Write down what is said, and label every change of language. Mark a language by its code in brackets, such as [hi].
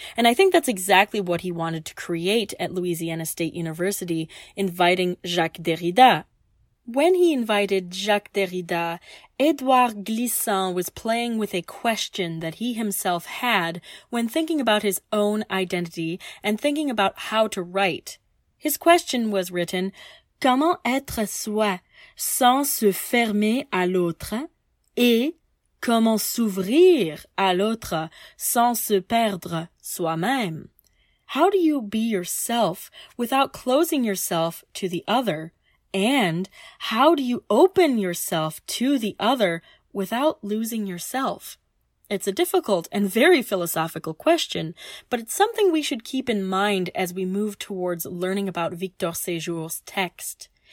[en] And I think that's exactly what he wanted to create at Louisiana State University, inviting Jacques Derrida. When he invited Jacques Derrida, Édouard Glissant was playing with a question that he himself had when thinking about his own identity and thinking about how to write. His question was written, [fr] comment être soi sans se fermer à l'autre et comment s'ouvrir à l'autre sans se perdre soi-même? [en] How do you be yourself without closing yourself to the other? And how do you open yourself to the other without losing yourself? It's a difficult and very philosophical question, but it's something we should keep in mind as we move towards learning about Victor Séjour's text.